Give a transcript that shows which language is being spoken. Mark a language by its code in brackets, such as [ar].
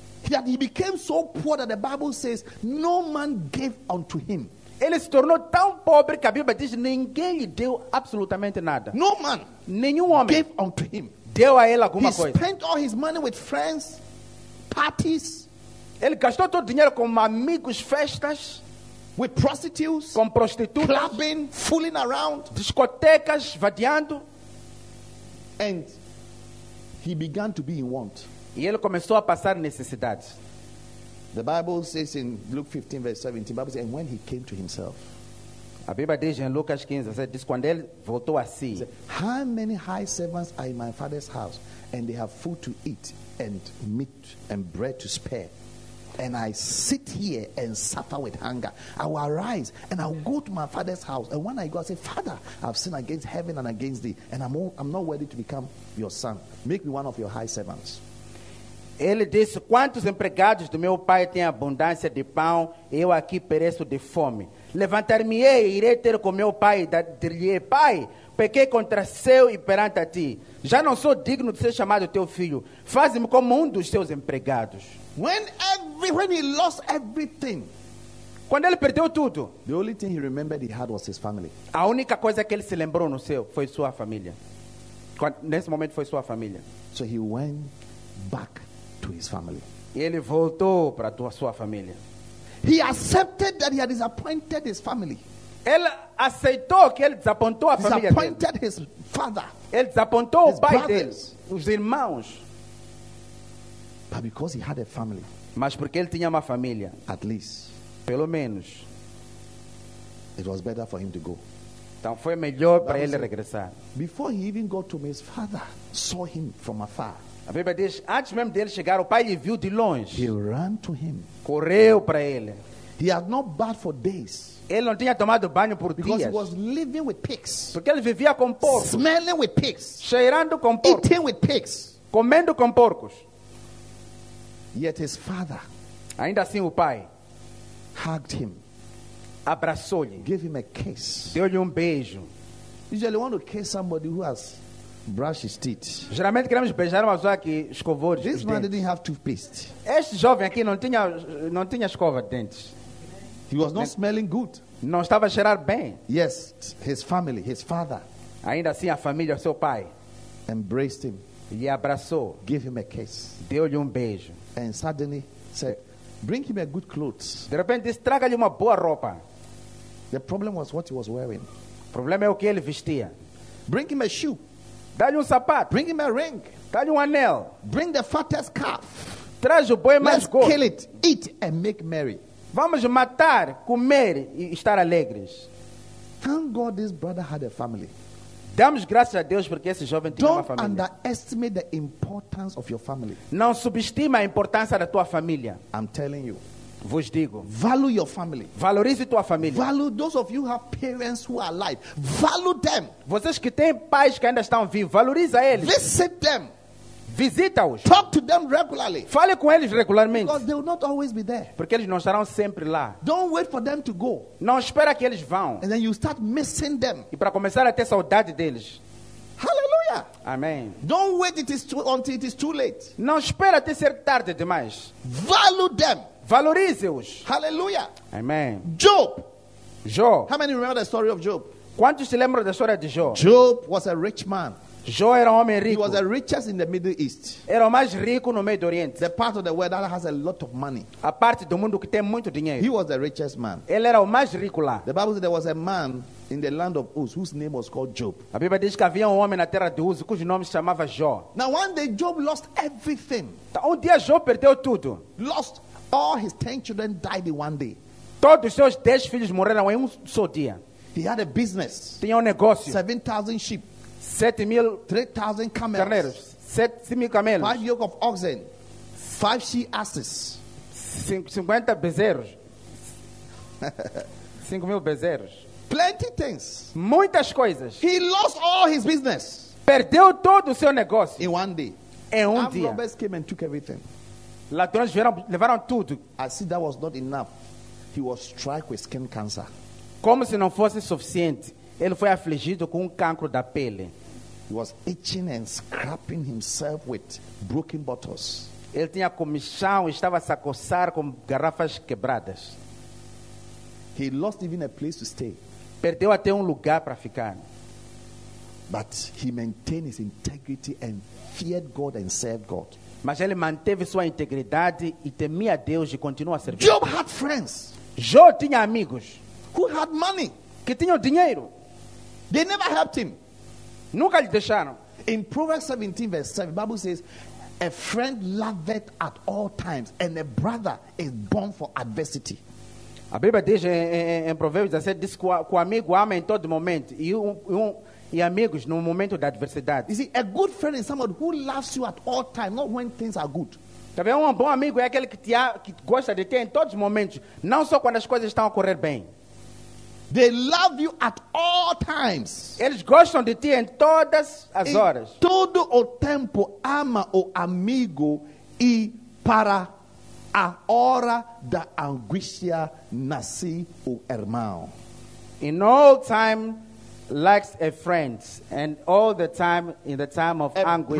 [en] that he became so poor that the Bible says no man gave unto him. [pt] Ele se tornou tão pobre que a Bíblia diz ninguém lhe deu absolutamente nada. [en] No man, [pt] nenhum homem [en] gave unto him. [pt] Deu a ele alguma [en] he [pt] coisa. [en] He spent all his money with friends, parties. [pt] Ele gastou todo o dinheiro com amigos, festas, [en] with prostitutes, [pt] com prostitutas, [en] clubbing, fooling around, [pt] discotecas, vadiando, [en] and he began to be in want. [pt] E ele começou a passar necessidades. [en] The Bible says in Luke 15, verse 17, the Bible says, and when he came to himself. [pt] A Bíblia diz em Lucas 15, diz, quando ele voltou a si. [en] Said, how many high servants are in my father's house, and they have food to eat, and meat, and bread to spare. And I sit here and suffer with hunger. I will arise, and I will go to my father's house. And when I go, I say, Father, I've sinned against heaven and against thee, and I'm not worthy to become your son. Make me one of your high servants. [pt] Ele disse, quantos empregados do meu pai têm abundância de pão, eu aqui pereço de fome. Levantar-me-ei, irei ter com meu pai, dir-lhe-ei, pai, pequei contra céu e perante a ti. Já não sou digno de ser chamado teu filho. Faz-me como dos seus empregados. [en] When he lost everything, [pt] quando ele perdeu tudo, [en] the only thing he remembered he had was his family. [pt] A única coisa que ele se lembrou no céu foi sua família. Nesse momento foi sua família. [en] So he went back to his family. [pt] Ele voltou para tua sua família. [en] He accepted that he had disappointed his family. [pt] Ele aceitou que ele desapontou a família dele. [en] Disappointed his father. [pt] Ele desapontou o pai dele, os irmãos. [en] But because he had a family. [pt] Mas porque ele tinha uma família. [en] At least. [pt] Pelo menos. [en] It was better for him to go. [pt] Então foi melhor para ele regressar. [en] Before he even got to me, his father saw him from afar. [pt] A Bíblia diz, antes mesmo dele chegar, o pai lhe viu de longe. [en] He ran to him. [pt] Correu para ele. [en] He had not bathed for days. [pt] Ele não tinha tomado banho por [en] because [pt] dias. [en] He was living with pigs. [pt] Porque ele vivia com porcos. [en] Smelling with pigs. [pt] Cheirando com porcos. [en] Eating with pigs. [pt] Comendo com porcos. [en] Yet his father, [pt] ainda assim o pai, [en] hugged him. [pt] Abraçou-lhe. [en] Gave him a kiss. [pt] Deu-lhe beijo. [en] Usually want to kiss somebody who has brush his teeth. [pt] Geralmente queremos beijar uma pessoa que escovou [en] this [pt] os [en] man [pt] dentes. [en] Didn't have toothpaste. [pt] Este jovem aqui não tinha escova de dentes. [en] He was not smelling good. [pt] Não estava a cheirar bem. [en] Yes, his family, his father. [pt] Ainda assim a família, seu pai, [en] embraced him. [pt] Lhe abraçou. [en] Gave him a kiss. [pt] Deu-lhe beijo. [en] And suddenly said, "Bring him a good clothes." [pt] De repente disse, traga-lhe uma boa roupa. [en] The problem was what he was wearing. [pt] O problema é o que ele vestia. [en] Bring him a shoe. [pt] Dá-lhe sapato. [en] Bring him a ring. [pt] Dá-lhe anel. [en] Bring the fattest calf. [pt] Traz o boi mais gordo. [en] Let's kill it, eat and make merry. [pt] Vamos matar, comer e estar alegres. [en] Thank God this brother had a family. [pt] Damos graças a Deus porque esse jovem tinha [en] Don't [pt] uma família. [en] Don't underestimate the importance of your family. [pt] Não subestime a importância da tua família. [en] I'm telling you. [pt] Vos digo, [en] value your family. [pt] Valorize tua família. [en] Value those of you who have parents who are alive. Value them. [pt] Vocês que têm pais que ainda estão vivos, valoriza eles. [en] Visit them. [pt] Visita-os. [en] Talk to them regularly. [pt] Fale com eles regularmente. [en] Because they will not always be there. [pt] Porque eles não estarão sempre lá. [en] Don't wait for them to go. [pt] Não espera que eles vão. [en] And then you start missing them. [pt] E para começar a ter saudade deles. [en] Hallelujah. [pt] Amém. [en] Don't wait until it is too late. [pt] Não espera até ser tarde demais. [en] Value them. [pt] Valorize-os. [en] Hallelujah. [pt] Amém. [en] Job. [pt] Job. [en] How many remember the story of Job? [pt] Quantos se lembram da história de Job? [en] Job was a rich man. [pt] Job era um homem rico. [en] He was the richest in the Middle East. [pt] Era o mais rico no Meio Oriente. [en] The part of the world that has a lot of money. [pt] A parte do mundo que tem muito dinheiro. [en] He was the richest man. [pt] Ele era o mais rico lá. [en] The Bible says there was a man in the land of Uz whose name was called Job. [pt] A Bíblia diz que havia homem na terra de Uz cujo nome se chamava Job. [en] Now one day Job lost everything. [pt] Dia Job perdeu tudo. [en] Lost all his 10 children died in one day. [pt] Todos seus 10 filhos morreram em só dia. [en] He had a business. [pt] Tinha negócio. [en] 7,000 sheep. [pt] 7,000. [en] 3,000 camels. [pt] Carneiros. 7,000 camelos. [en] 5 yoke of oxen. 5 she asses. [pt] 50 bezerros. 5,000 bezerros. [en] Plenty things. [pt] Muitas coisas. [en] He lost all his business. [pt] Perdeu todo o seu negócio. [en] In one day. [pt] Em dia. [en] And robbers came and took everything. [pt] Ladrões vieram, levaram tudo. [en] I see that was not enough. He was struck with skin cancer. [pt] Como se não fosse suficiente, ele foi afligido com cancro da pele. [en] He was itching and scraping himself with broken bottles. [pt] Ele tinha comichão e estava a se coçar com garrafas quebradas. [en] He lost even a place to stay. [pt] Perdeu até lugar para ficar. [en] But he maintained his integrity and feared God and served God. [pt] Mas ele manteve sua integridade e temia a Deus e continua a servir. [en] Job had friends. [pt] Jó tinha amigos. [en] Who had money. [pt] Que tinham dinheiro. [en] They never helped him. [pt] Nunca lhe deixaram. [en] In Proverbs 17 verse 7, the Bible says, a friend loveth at all times and a brother is born for adversity. [pt] A Bíblia diz em Provérbios 17, diz que o amigo ama em todo momento e amigos no momento da adversidade. [en] You see, a good friend is someone who loves you at all times, not when things are good. [pt] Também um bom amigo é aquele que gosta de ter em todos os momentos, não só quando as coisas estão a correr bem. [en] They love you at all times. [pt] Eles gostam de ti em todas as horas. Todo o tempo ama o amigo e para a hora da angústia nasce o irmão. [en] In all time likes a friend, and all the time in the time of anguish,